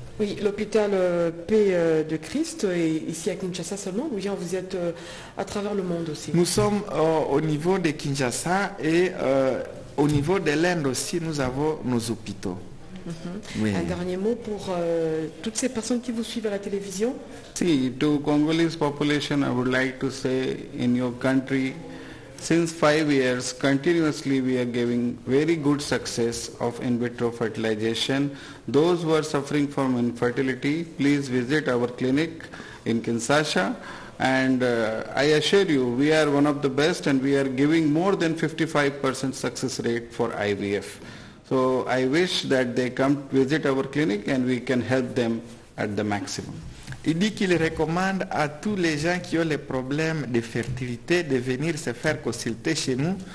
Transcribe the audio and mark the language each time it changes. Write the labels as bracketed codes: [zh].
[fr] Oui, l'hôpital Paix de Christ est ici à Kinshasa seulement ou bien vous êtes à travers le monde aussi? Nous sommes au niveau de Kinshasa et au niveau de l'Inde aussi, nous avons nos hôpitaux. Mm-hmm. Oui. Un dernier mot pour toutes ces personnes qui vous suivent à la télévision? [en] Si, to Congolese population, I would like to say in your country, Since 5 years, continuously we are giving very good success of in vitro fertilization. Those who are suffering from infertility, please visit our clinic in Kinshasa. And I assure you, we are one of the best and we are giving more than 55% success rate for IVF. So I wish that they come visit our clinic and we can help them at the maximum. [fr] Il dit qu'il recommande à tous les gens qui ont les problèmes de fertilité de venir se faire consulter chez nous.